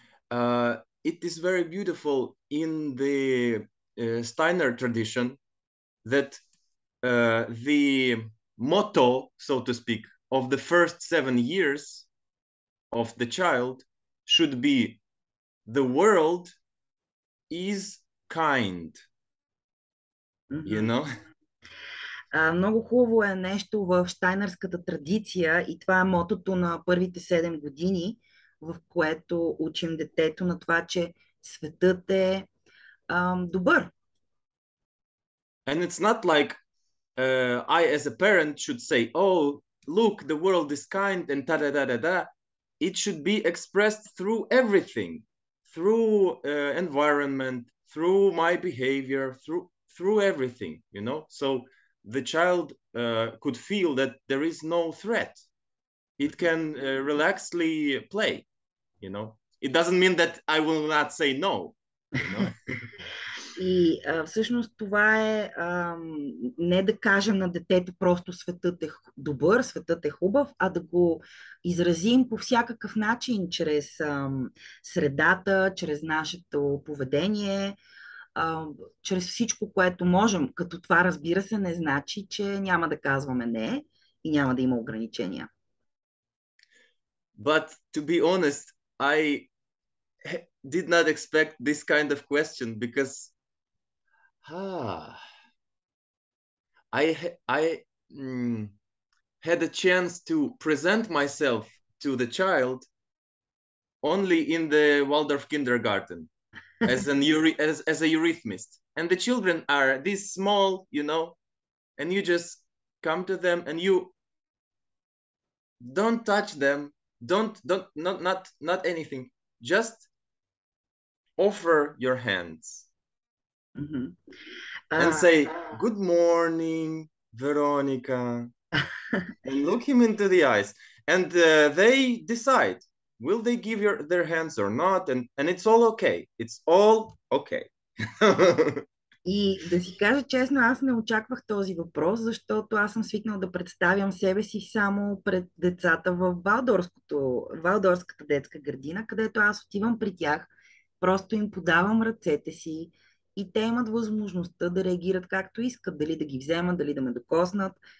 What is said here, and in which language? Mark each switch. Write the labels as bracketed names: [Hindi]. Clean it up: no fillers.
[English] It is very beautiful in the Steiner tradition that the motto, so to speak, of the first 7 years of the child should be the world is kind. You know? [Bulgarian] Много хубаво е нещо в Штайнерската традиция и това е мотото на първите 7 години, в което учим детето на това, че светът е добър. [English] And it's not like I as a parent should say, oh, look, the world is kind and ta-da-da-da-da. It should be expressed through everything. Through environment, through my behavior, through everything, you know? So the child could feel that there is no threat. It can relaxly play, you know? It doesn't mean that I will not say no, you know? [Bulgarian] И всъщност това е не да кажем на детето просто светът е добър, светът е хубав, а да го изразим по всякакъв начин, чрез средата, чрез нашето поведение, чрез всичко, което можем. Като това, разбира се, не значи, че няма да казваме не и няма да има ограничения. [English] But to be honest, I did not expect this kind of question because I had a chance to present myself to the child only in the Waldorf kindergarten as a eurythmist. And the children are this small, you know, and you just come to them and you don't touch them, not anything, just offer your hands. Mm-hmm. And say, good morning, Veronica. And look him into the eyes. And they decide, will they give their hands or not? And it's all okay. It's all okay. [Bulgarian] И да си кажа честно, аз не очаквах този въпрос, защото аз съм свикнал да представям себе си само пред децата в Валдорфската детска градина, където аз отивам при тях, просто им подавам ръцете си и те имат възможността да реагират както искат, дали да ги вземат, дали да ме докоснат.